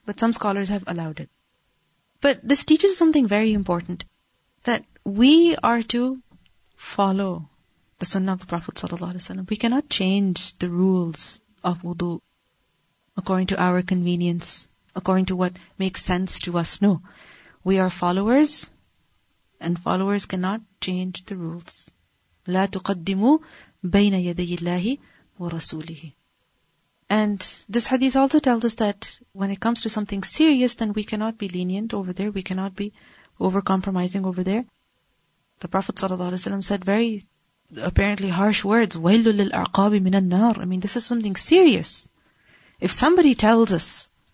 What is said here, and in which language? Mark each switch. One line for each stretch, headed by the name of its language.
English: But some scholars have allowed it. But this teaches something very important, that we are to follow the sunnah of the Prophet sallallahu alaihi wasallam. We cannot change the rules of wudu according to our convenience, according to what makes sense to us. No. We are followers, and followers cannot change the rules.
Arabic: لا تقدموا بين يدي الله ورسوله.
English: And this hadith also tells us that when it comes to something serious, then we cannot be lenient over there. We cannot be over-compromising over there. The Prophet sallallahu alaihi wasallam said very apparently harsh words,
Arabic: وَيْلُ لِلْأَعْقَابِ مِنَ النَّارِ.
English: I mean, this is something serious. If somebody tells us